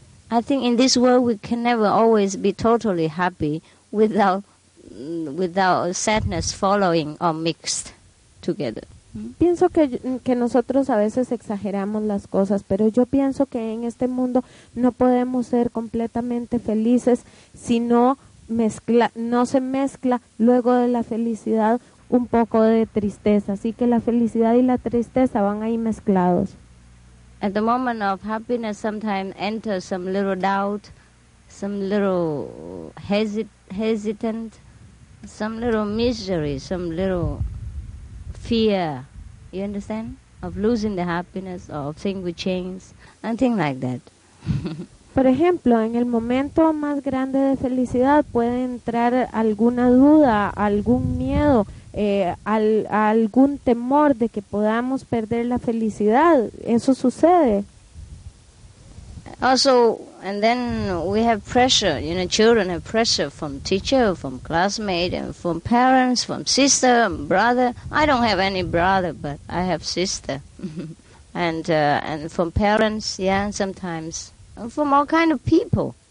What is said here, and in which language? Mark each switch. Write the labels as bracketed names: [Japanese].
[English] I think in this world we can never always be totally happy without sadness following or mixed together. [Spanish] Pienso que nosotros a veces exageramos las cosas, pero yo pienso que en este mundo no podemos ser completamente felices si no se mezcla luego de la felicidad un poco de tristeza. Así que la felicidad y la tristeza van ahí mezclados. [English] At the moment of happiness sometimes enters some little doubt, some little hesitant, some little misery, some little fear, you understand? Of losing the happiness, or of things we change, and things like that. [Spanish] Por ejemplo, en el momento más grande de felicidad puede entrar alguna duda, algún miedo, algún temor de que podamos perder la felicidad. Eso sucede. [English] Also, and then we have pressure, you know, children have pressure from teacher, from classmate, and from parents, from sister, brother. I don't have any brother, but I have sister. And from parents, yeah, sometimes. And from all kind of people.